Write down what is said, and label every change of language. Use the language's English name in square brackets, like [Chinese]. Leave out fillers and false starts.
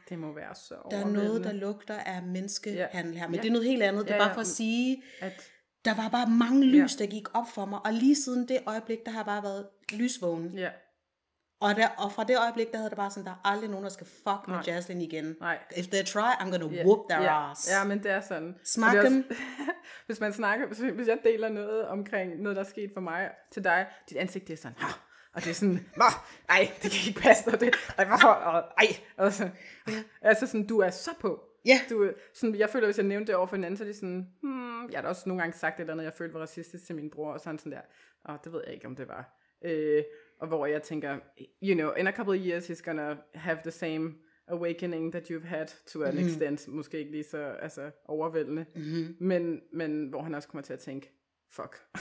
[Danish] Det må være så overvældende. Der er noget, der lugter af menneskehandel her. Men det er noget helt andet. Det er bare for at sige, at der var bare mange lys, der gik op for mig. Og lige siden det øjeblik, der har bare været lysvågen. Ja. Og fra det øjeblik, der havde det bare sådan, der er aldrig nogen, der skal fuck med Jaslyn igen. Nej. [English] If they try, I'm gonna whoop their ass. [Danish] Ja, men det er sådan. [English] Smack them. [Danish] Hvis man snakker, hvis jeg deler noget omkring noget, der er sket for mig til dig, dit ansigt, det er sådan, hah. Og det er sådan, ej, det kan ikke passe, og det, ej, hvorfor, og ej. Og så, altså sådan, du er så på. Ja. Du, sådan, jeg føler, hvis jeg nævnte det over for hinanden, så er det sådan, jeg har også nogle gange sagt et eller andet, jeg følte var racistisk til min bror, og sådan der, og det ved jeg ikke, om det var. Og hvor jeg tænker, [English] you know, in a couple of years, he's gonna have the same awakening that you've had to an extent. [Danish] Måske ikke lige så altså, overvældende. Mm-hmm. Men hvor han også kommer til at tænke, fuck.